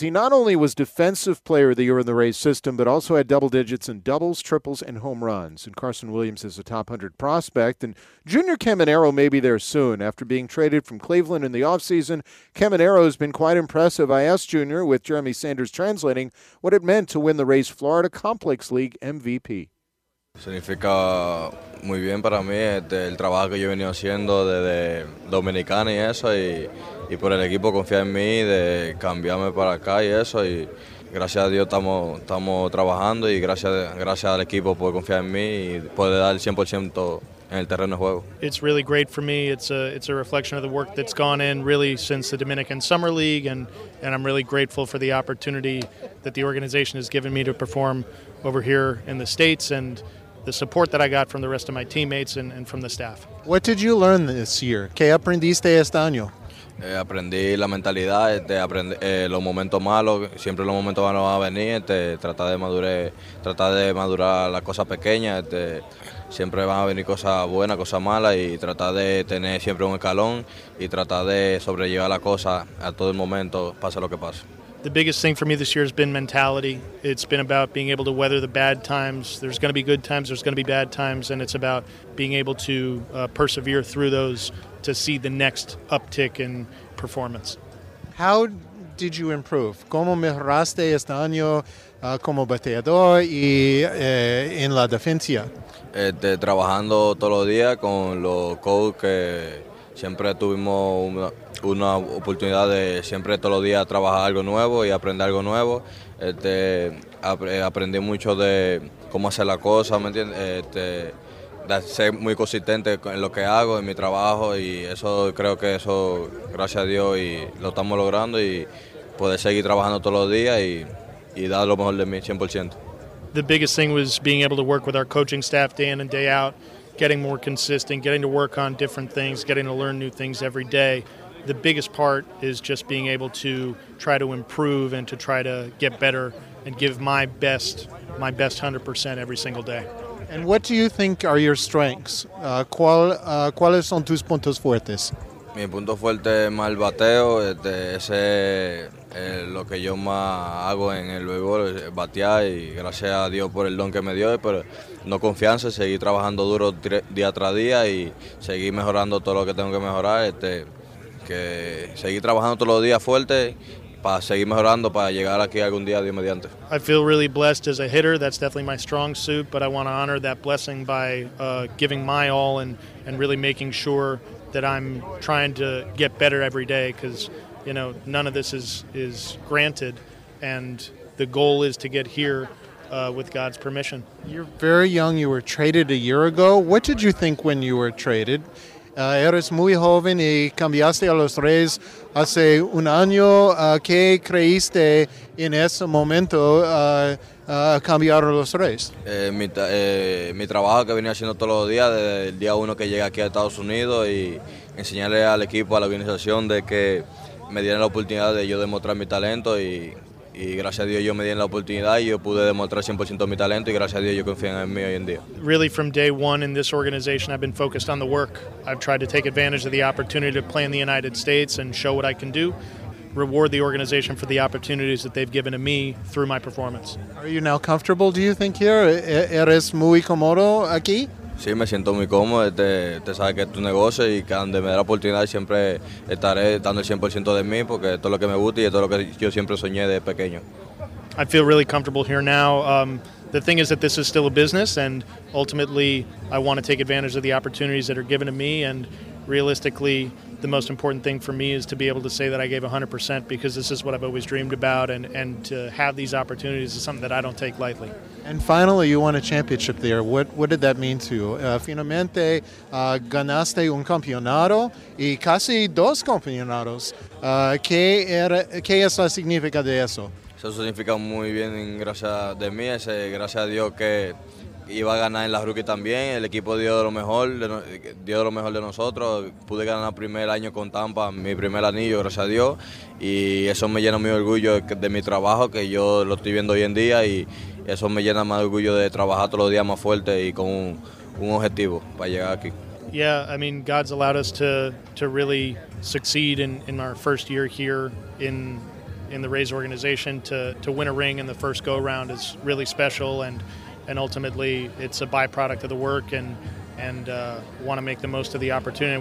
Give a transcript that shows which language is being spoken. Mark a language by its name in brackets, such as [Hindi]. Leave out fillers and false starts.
[English] He not only was Defensive Player of the Year in the Rays system, but also had double digits in doubles, triples, and home runs. And Carson Williams is a top 100 prospect. And Junior Caminero may be there soon. After being traded from Cleveland in the offseason, Caminero has been quite impressive. I asked Junior, with Jeremy Sanders translating, what it meant to win the Rays Florida Complex League MVP. [Spanish] Significa muy bien para mí el trabajo que yo he venido haciendo desde Dominicana y eso, y por el equipo confía en mí de cambiarme para acá y eso, y gracias a Dios estamos trabajando y gracias al equipo por confiar en mí y poder dar el 100% en el terreno de juego. [English] It's really great for me. It's a reflection of the work that's gone in really since the Dominican Summer League, and I'm really grateful for the opportunity that the organization has given me to perform over here in the States and the support that I got from the rest of my teammates and from the staff. What did you learn this year? [Spanish] ¿Qué aprendiste este año? Aprendí la mentalidad, los momentos malos, siempre los momentos malos van a venir, tratar de madurar las cosas pequeñas, siempre van a venir cosas buenas, cosas malas, y tratar de tener siempre un escalón y tratar de sobrellevar la cosa a todo el momento, pase lo que pase. [English] The biggest thing for me this year has been mentality. It's been about being able to weather the bad times. There's going to be good times, there's going to be bad times, and it's about being able to persevere through those to see the next uptick in performance. How did you improve? [Spanish] ¿Cómo mejoraste este año como bateador y en la defensa? Trabajando todos los días con los coaches que siempre tuvimos una oportunidad de siempre todos los días trabajar algo nuevo y aprender algo nuevo. Aprendí mucho de cómo hacer la cosa, ¿me entiendes? De ser muy consistente en lo que hago, en mi trabajo, y eso creo que eso, gracias a Dios, y lo estamos logrando y poder seguir trabajando todos los días y dar lo mejor de mí, 100%. [English] The biggest thing was being able to work with our coaching staff day in and day out, getting more consistent, getting to work on different things, getting to learn new things every day. The biggest part is just being able to try to improve and to try to get better and give my best 100% every single day. And what do you think are your strengths? [Spanish] ¿Cuáles son tus puntos fuertes? Mi punto fuerte es más el bateo. Ese es lo que yo más hago en el béisbol, batear, y gracias a Dios por el don que me dio. Pero no confianza, seguir trabajando duro día tras día y seguir mejorando todo lo que tengo que mejorar. Que seguir trabajando todos los días fuerte para seguir mejorando, para llegar aquí algún día, Dios mediante. [English] I feel really blessed as a hitter. That's definitely my strong suit, but I want to honor that blessing by giving my all and really making sure that I'm trying to get better every day, because, you know, none of this is granted, and the goal is to get here with God's permission. You're very young. You were traded a year ago. What did you think when you were traded? [Spanish] Eres muy joven y cambiaste a los Rays hace un año. ¿Qué creíste en ese momento cambiar a los Rays? Mi trabajo que venía haciendo todos los días, desde el día uno que llegué aquí a Estados Unidos, y enseñarle al equipo, a la organización, de que me dieran la oportunidad de yo demostrar mi talento, y gracias a Dios yo me dieron la oportunidad y yo pude demostrar 100% mi talento, y gracias a Dios yo confío en mí hoy en día. [English] Really, from day one in this organization, I've been focused on the work. I've tried to take advantage of the opportunity to play in the United States and show what I can do, reward the organization for the opportunities that they've given to me through my performance. Are you now comfortable, do you think, here? [Spanish] ¿Eres muy cómodo aquí? Sí, me siento muy cómodo. Te sabes que es tu negocio, y que donde me da la oportunidad siempre estaré dando el 100% de mí, porque esto es lo que me gusta y esto es lo que yo siempre soñé de pequeño. [English] I feel really comfortable here now. The thing is that this is still a business, and ultimately I want to take advantage of the opportunities that are given to me, and realistically the most important thing for me is to be able to say that I gave 100%, because this is what I've always dreamed about, and to have these opportunities is something that I don't take lightly. And finally, you won a championship there. What did that mean to you? [Spanish] Finalmente, ganaste un campeonato y casi dos campeonatos. ¿Qué es la significa de eso? Eso significa muy bien, gracias de mí. Gracias a Dios que iba a ganar en la rookie también. El equipo dio lo mejor de nosotros. Pude ganar primer año con Tampa, mi primer anillo, gracias a Dios. Y eso me llena mi orgullo de mi trabajo, que yo lo estoy viendo hoy en día. Y eso me llena más orgullo de trabajar todos los días más fuerte y con un objetivo para llegar aquí. [English] Yeah, I mean, God's allowed us to really succeed in our first year here in the Rays organization. To win a ring in the first go round is really special, and ultimately it's a byproduct of the work, and want to make the most of the opportunity.